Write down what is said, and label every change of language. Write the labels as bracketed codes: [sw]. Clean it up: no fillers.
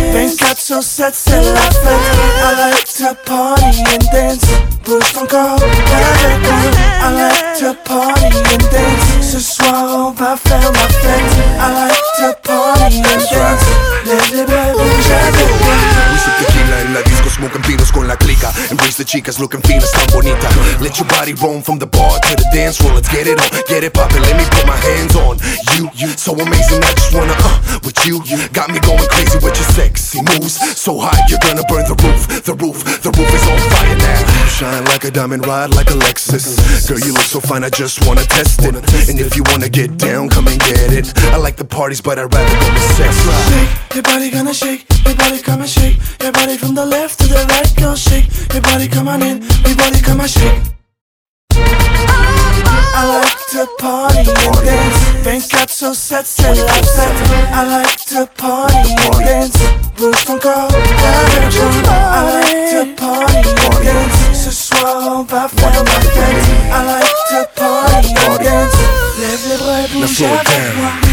[fr] 24 sur 7 c'est la fête. [en] I like to party and dance. [fr] Bouge ton corps avec moi. [en] I like to party and dance. [fr] Ce soir on va faire la fête. [en] I like to party and dance. [fr] Lève les bras, bouge avec moi. [es] La disco smoking pinos con la clica. Embrace the chicas looking finas, tan bonita. [en] Let your body roam from the bar to the dance floor. Let's get it on, get it poppin'. Let me put my hands on you. You so amazing, I just wanna with you. Got me going crazy with your sexy moves. So hot, you're gonna burn the roof, the roof, the roof is on fire now. You shine like a diamond, ride like a Lexus. Girl, you look so fine, I just wanna test it. And if you wanna get down, come and get it. I like the parties, but I'd rather go with sex. Shake, your body gonna shake. Your body come and shake. Your body from the left to the right, girl, shake. Your body come on in, your body come on shake. I like to party and dance. [fr] 24 sur 7, c'est la fête. [en] I like to party and dance. [fr] Bouge ton corps avec moi. [en] I like to party and dance. [fr] Ce soir on va faire la fête. [en] I like to party and dance. [fr] Lève les bras et bouge avec moi.